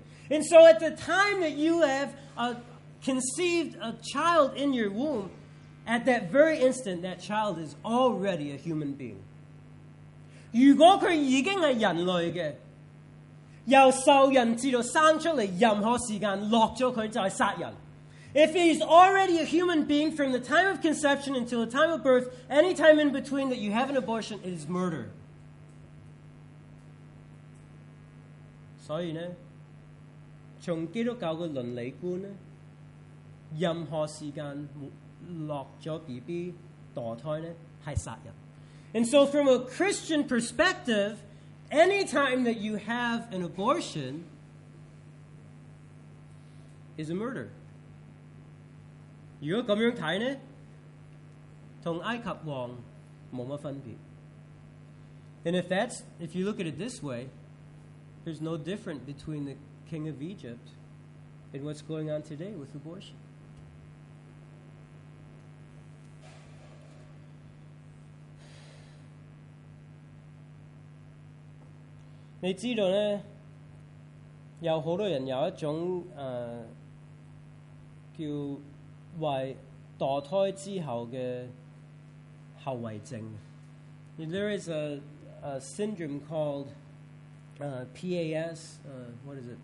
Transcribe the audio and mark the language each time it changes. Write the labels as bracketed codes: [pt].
[en] And so, at the time that you have conceived a child in your womb, at that very instant, that child is already a human being. [zh] 如果他已经是人类的, 由受孕至到生出来,任何时间,落了他就是杀人. [en] If he's already a human being from the time of conception until the time of birth, any time in between that you have an abortion, it is murder. [zh] 所以呢, 从基督教的伦理观呢, 任何时间,落了BB,堕胎呢, 是杀人. [en] And so from a Christian perspective, any time that you have an abortion is a murder. [zh] 如果这样看呢, 跟埃及王没什么分别. [en] And if you look at it this way, there's no difference between the king of Egypt and what's going on today with abortion. [zh] 你知道呢,有好多人有一種叫為墮胎之後的後遺症. [en] There is a syndrome called PAS, what is it?